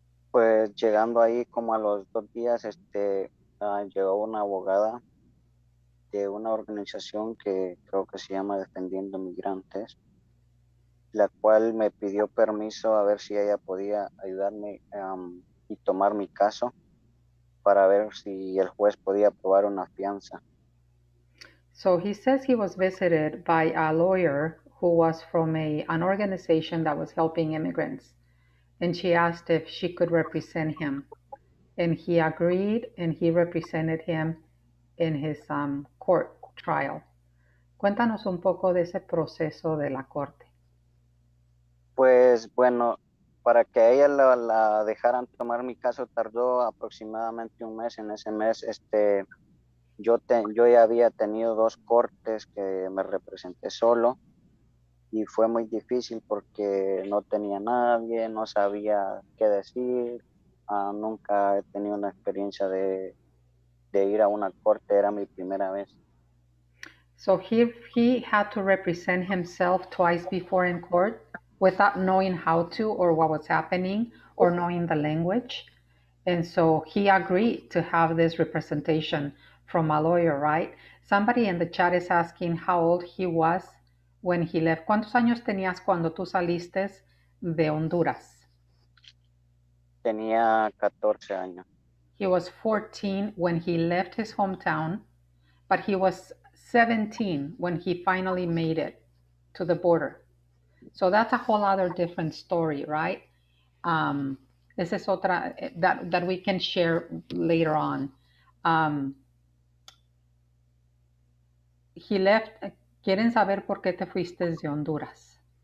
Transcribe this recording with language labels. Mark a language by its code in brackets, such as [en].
[es] Pues llegando ahí como a los 2 días, llegó una abogada de una organización que creo que se llama Defendiendo Migrantes, la cual me pidió permiso a ver si ella podía ayudarme y tomar mi caso para ver si el juez podía aprobar una fianza. [en] So he says he was visited by a lawyer who was from an organization that was helping immigrants. And she asked if she could represent him. And he agreed and he represented him in his court trial. [es] Cuéntanos un poco de ese proceso de la corte. Pues bueno, para que ella la dejaran tomar mi caso tardó aproximadamente un mes. En ese mes yo ya había tenido dos cortes que me representé solo y fue muy difícil porque no tenía nadie, no sabía qué decir, nunca he tenido una experiencia de ir a una corte, era mi primera vez. [en] So he had to represent himself twice before in court without knowing how to or what was happening or knowing the language. And so he agreed to have this representation from a lawyer, right? Somebody in the chat is asking how old he was when he left. [es] ¿Cuántos años tenías cuando tú saliste de Honduras? Tenía 14 años. [en] He was 14 when he left his hometown, but he was 17 when he finally made it to the border. So that's a whole other different story, right? This is otra that we can share later on. He left. [es] ¿Quieren saber por qué te fuiste de Honduras?